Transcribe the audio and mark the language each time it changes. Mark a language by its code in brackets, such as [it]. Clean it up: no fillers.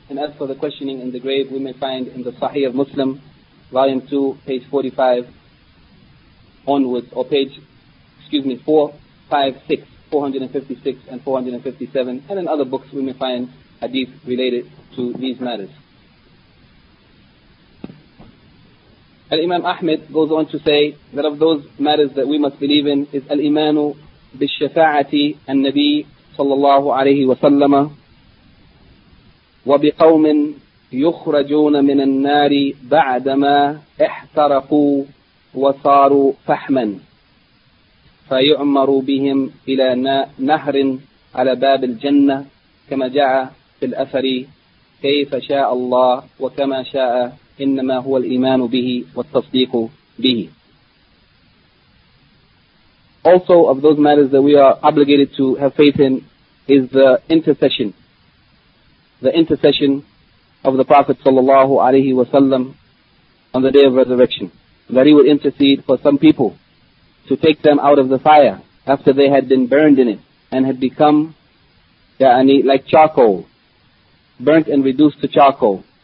[en] And as for the questioning in the grave, we may find in the Sahih of Muslim, volume 2, page 45 onwards, or page, 456, 456 and 457. And in other books, we may find hadith related to these matters. Al-Imam Ahmed goes on to say that of those matters that we must believe in is [ar] al-Imanu bil-Shafa'ati al-Nabi sallallahu alayhi wa sallam وبقوم يخرجون من النار بعدما احترقوا وصاروا فحما فيعمروا بهم إلى نهر على باب الجنة كما جاء في الأثر كيف شاء الله وكما شاء إنما هو الإيمان به والتصديق به. [en] Also of those matters that we are obligated to have faith in is the intercession. The intercession of the Prophet sallallahu alaihi wasallam on the day of resurrection, that he would intercede for some people to take them out of the fire after they had been burned in it and had become like charcoal, burnt and reduced to charcoal.